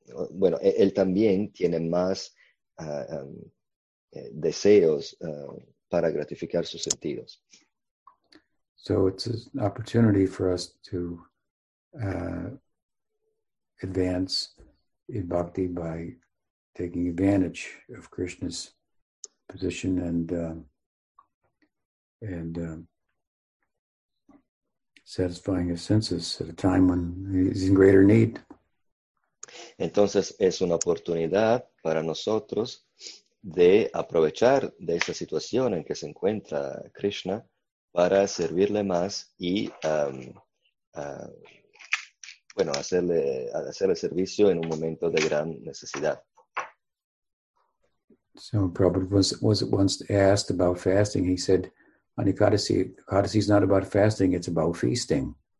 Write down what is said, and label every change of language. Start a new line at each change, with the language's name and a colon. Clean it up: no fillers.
Spanish: Bueno, él también tiene más deseos para gratificar sus sentidos.
English: So it's an opportunity for us to advance in bhakti by taking advantage of Krishna's position and satisfying his senses at a time when he's in greater need.
Spanish: Entonces es una oportunidad para nosotros de aprovechar de esa situación en que se encuentra Krishna para servirle más y hacerle servicio en un momento de gran necesidad.
English: So Prabhupada was once asked about fasting. He said, Ekadasi is not about fasting, it's about feasting.